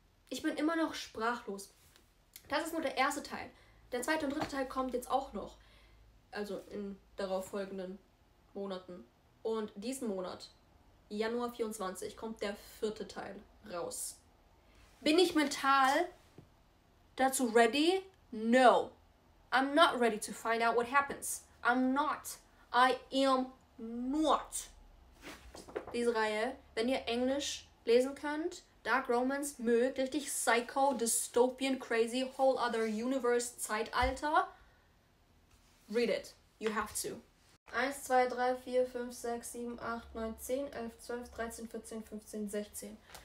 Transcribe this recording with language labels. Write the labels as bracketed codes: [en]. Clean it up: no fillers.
[de] Ich bin immer noch sprachlos. Das ist nur der erste Teil. Der zweite und dritte Teil kommt jetzt auch noch. Also in darauf folgenden Monaten. Und diesen Monat, Januar 24, kommt der vierte Teil raus. Bin ich mental dazu ready? No. [en] I'm not ready to find out what happens. I'm not. I am not. [de] Diese Reihe, wenn ihr Englisch lesen könnt, Dark Romance mögt, richtig Psycho, [en] Dystopian, Crazy, Whole Other Universe, [de] Zeitalter. [en] Read it. You have to. 1, 2, 3, 4, 5, 6, 7, 8, 9, 10, 11, 12, 13, 14, 15, 16.